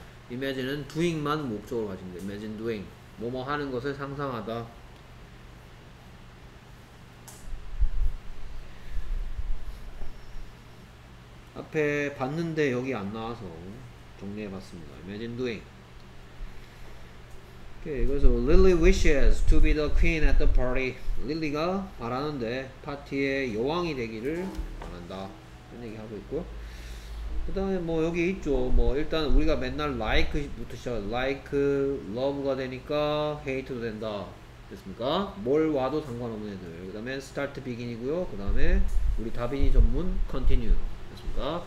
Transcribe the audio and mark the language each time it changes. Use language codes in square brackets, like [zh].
[ko] imagine은 doing만 목적으로 가집니다. imagine doing 뭐뭐 하는 것을 상상하다. 앞에 봤는데 여기 안 나와서 정리해봤습니다. [en] imagine doing. okay, [ko] 그래서 [en] Lily wishes to be the queen at the party. [ko] Lily가 바라는데 파티의 여왕이 되기를 바란다. 이런 얘기 하고 있고요. 그 다음에 뭐 여기 있죠. 뭐 일단 우리가 맨날 like부터 시작. like, love가 되니까 hate도 된다. 됐습니까? 뭘 와도 상관없는 애들. 그 다음에 start, begin이고요. 그 다음에 우리 다빈이 전문 continue. 됐습니까?